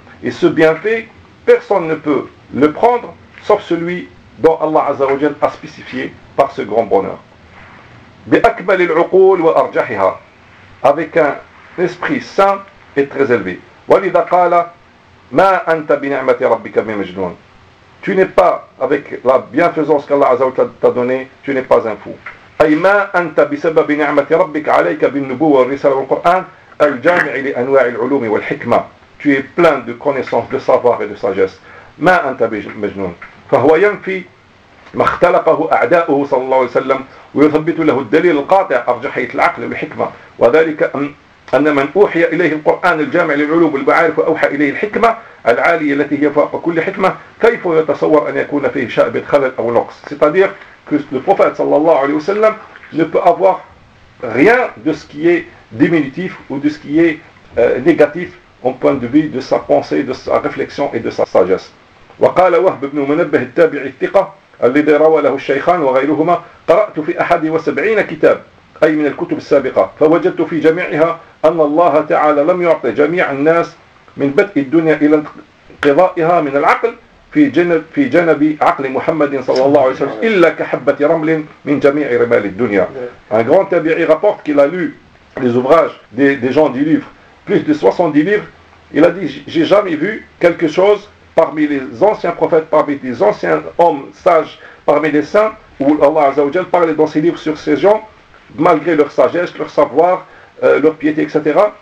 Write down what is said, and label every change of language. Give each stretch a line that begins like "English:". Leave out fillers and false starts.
French: Et ce bienfait, personne ne peut le prendre sauf celui dont Allah Azza wa Jalla a spécifié par ce grand bonheur.
Arabic: بِأَكْمَلِ الْعُقُولِ وَأَرْجَحِهَا.
French: Avec un esprit sain et très élevé.
Arabic: وَلِذَا قَالَ مَا أَنْتَ بِنِعْمَةِ رَبِّكَ بِمَجْنُونَ.
French: Tu n'es pas, avec la bienfaisance qu'Allah Azza wa Jalla t'a donnée, tu n'es pas un fou.
Arabic: أي ما أنت بسبب نعمة ربك عليك بالنبوة والرسالة والقرآن الجامع لأنواع العلوم والحكمة.
French: Tu es plein de connaissances, de savoir et de sagesse.
Arabic: ما أنت بمجنون. فهو ينفي ما اختلقه أعداؤه صلى الله عليه وسلم ويثبت له الدليل القاطع أرجحية العقل والحكمة. وذلك أن من أوحي إليه القرآن الجامع للعلوم والمعارف وأوحى إليه الحكمة العالية التي هي فوق كل حكمة كيف يتصور أن يكون فيه شائبة خلل أو نقص.
French: C'est-à-dire que le prophète sallallahu alayhi wa sallam ne peut avoir rien de ce qui est diminutif ou de ce qui est négatif au point de vue de sa pensée, de sa réflexion et de sa sagesse.
Arabic: وقال وهب بن منبه التابع الثقة الذي روى له الشيخان وغيرهما قرأت في 71 كتاب أي من الكتب السابقة فوجدت في جميعها أن الله تعالى لم يعطي جميع الناس من بدء الدنيا إلى انقضائها من العقل في جنب عقل محمد صلى الله عليه وسلم إلا كحبة رمل من جميع رمال الدنيا.
French: Un grand tabi'i rapporte qu'il a lu les ouvrages des gens du livre, plus de 70 livres. Il a dit, j'ai jamais vu quelque chose parmi les anciens prophètes, parmi les anciens hommes sages, parmi les saints, où Allah Azza wa Jalla parlait dans ses livres sur ces gens, malgré leur sagesse, leur savoir, leur piété, etc.